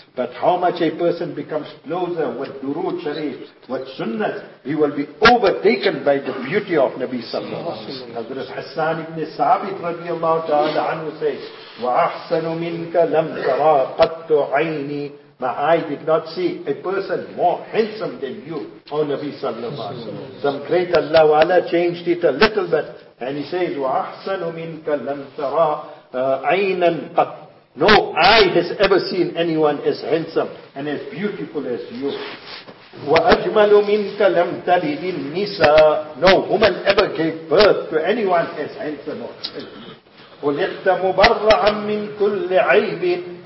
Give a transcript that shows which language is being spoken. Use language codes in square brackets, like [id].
[en] But how much a person becomes closer with durood sharif, with sunnah, he will be overtaken by the beauty of Nabi Sallallahu Alaihi Wasallam. Hazrat Hassan ibn Sabit radiallahu ta'ala anhu says, [ar] وَأَحْسَنُ مِنْكَ لَمْ تَرَى قَطُّ عَيْنِي. [en] My eye did not see a person more handsome than you, O Nabi Sallallahu Alaihi Wasallam. Some great Allah Wala changed it a little bit. And he says, [ar] وَأَحْسَنُ مِنْكَ لَمْ تَرَى عَيْنًا قَطْ. [en] No eye has ever seen anyone as handsome and as beautiful as you. [ar] وَأَجْمَلُ مِنْكَ لَمْ تَلِدِ النِّسَى. [en] No woman ever gave birth to anyone as handsome or [ar] خلقت مبرعا من كل عيب.